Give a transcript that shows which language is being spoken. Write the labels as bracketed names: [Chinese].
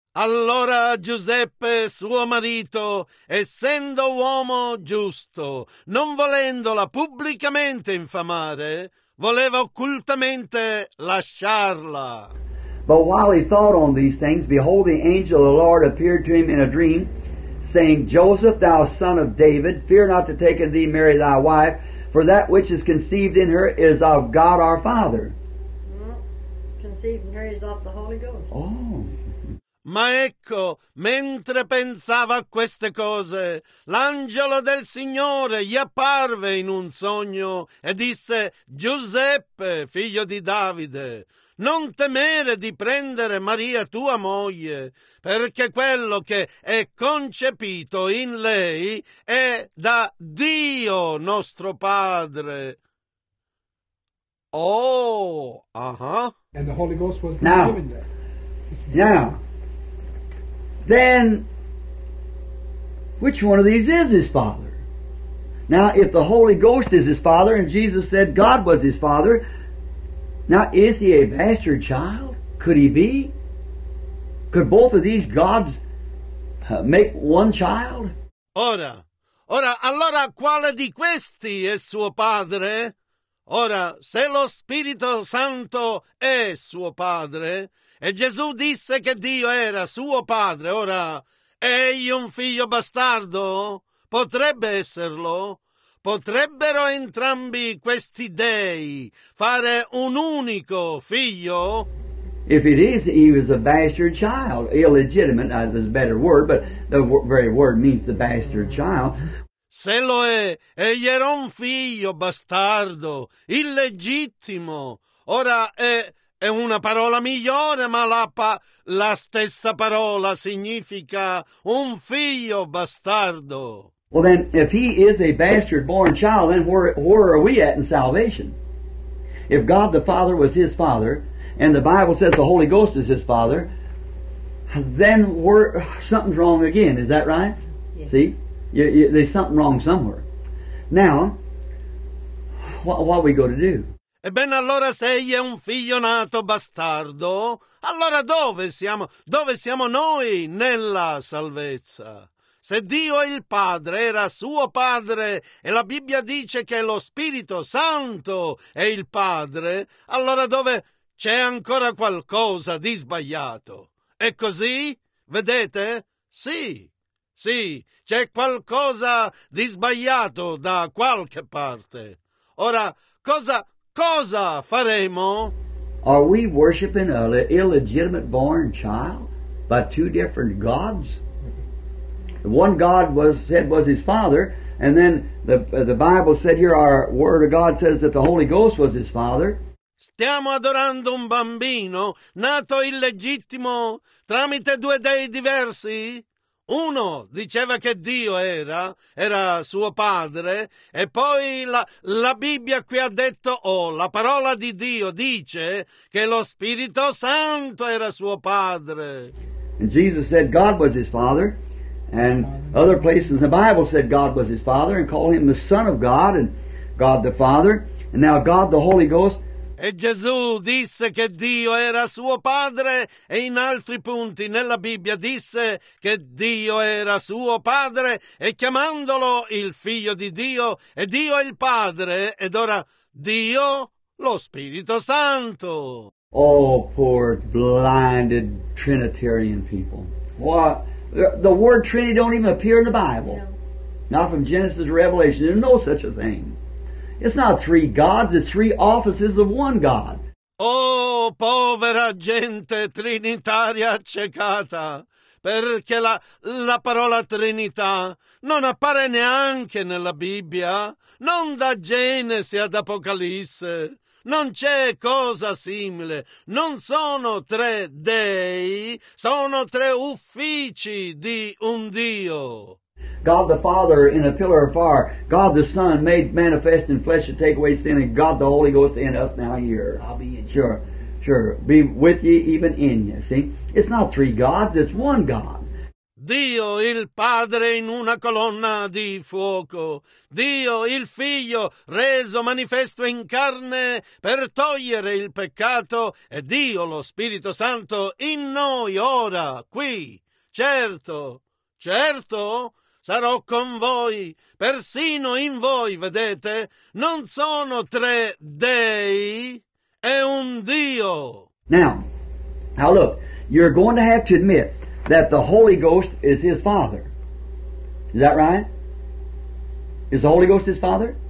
[Italian] Allora Giuseppe, suo marito, essendo uomo giusto, non volendola pubblicamente infamare, voleva occultamente lasciarla. [English] But while he thought on these things, behold, the angel of the Lord appeared to him in a dream, saying, Joseph, thou son of David, fear not to take unto thee Mary thy wife, for that which is conceived in her is of God our Father. Conceived in her is of the Holy Ghost. Oh. [Italian] Ma ecco, mentre pensava a queste cose, l'angelo del Signore gli apparve in un sogno e disse, Giuseppe, figlio di Davide, non temere di prendere Maria tua moglie, perché quello che è concepito in lei è da Dio nostro Padre. Oh, [English] And the Holy Ghost was given there. Then, which one of these is his father? Now, if the Holy Ghost is his father, and Jesus said God was his father, now, is he a bastard child? Could he be? Could both of these gods make one child? [Italian] Ora, allora, quale di questi è suo padre? Ora, se lo Spirito Santo è suo padre... E Gesù disse che Dio era suo padre. Ora, egli un figlio bastardo? Potrebbe esserlo? Potrebbero entrambi questi dei fare un unico figlio? [English] If it is, he was a bastard child. Illegitimate is a better word, but the very word means the bastard child. [Italian] Se lo è, egli era un figlio bastardo, illegittimo. Ora, è... è una parola migliore, ma la stessa parola significa un figlio bastardo. [English] Well, then, if he is a bastard-born child, then where are we at in salvation? If God the Father was his Father, and the Bible says the Holy Ghost is his Father, then something's wrong again. Is that right? Yeah. See? There's something wrong somewhere. Now, what are we going to do? [Italian] Ebbene, allora se egli è un figlio nato bastardo, allora dove siamo? Dove siamo noi nella salvezza? Se Dio è il Padre, era suo Padre, e la Bibbia dice che lo Spirito Santo è il Padre, allora dove c'è ancora qualcosa di sbagliato? È così? Vedete? Sì, sì, c'è qualcosa di sbagliato da qualche parte. Ora, cosa faremo? [English] Are we worshiping an illegitimate born child by two different gods? One God said was his father, and then the Bible said here our word of God says that the Holy Ghost was his father. [Italian] Stiamo adorando un bambino nato illegittimo tramite due dei diversi? Uno diceva che Dio era suo padre, e poi la Bibbia qui ha detto, la parola di Dio dice che lo Spirito Santo era suo padre. [English] And Jesus said God was his father. And other places in the Bible said God was his Father and called him the Son of God and God the Father. And now God the Holy Ghost. [Italian] E Gesù disse che Dio era suo Padre, e in altri punti nella Bibbia disse che Dio era suo Padre, e chiamandolo il Figlio di Dio, e Dio il Padre, ed ora Dio lo Spirito Santo. [English] Oh, poor blinded Trinitarian people. What? The word Trinity don't even appear in the Bible. No. Not from Genesis to Revelation. There's no such a thing. It's not three gods, it's three offices of one God. [Italian] Oh, povera gente trinitaria accecata, perché la parola Trinità non appare neanche nella Bibbia, non da Genesi ad Apocalisse. Non c'è cosa simile. Non sono tre dei, sono tre uffici di un Dio. [English] God the Father in a pillar of fire. God the Son made manifest in flesh to take away sin. And God the Holy Ghost in us now here. I'll be in you. Sure, sure. Be with you, even in you. See? It's not three gods, it's one God. [Italian] Dio il Padre in una colonna di fuoco. Dio il Figlio reso manifesto in carne per togliere il peccato. E Dio lo Spirito Santo in noi ora, qui. Certo, certo, sarò con voi, persino in voi, vedete? Non sono tre dei, è un Dio. [English] Now look, you're going to have to admit that the Holy Ghost is his Father. Is that right? Is the Holy Ghost his Father?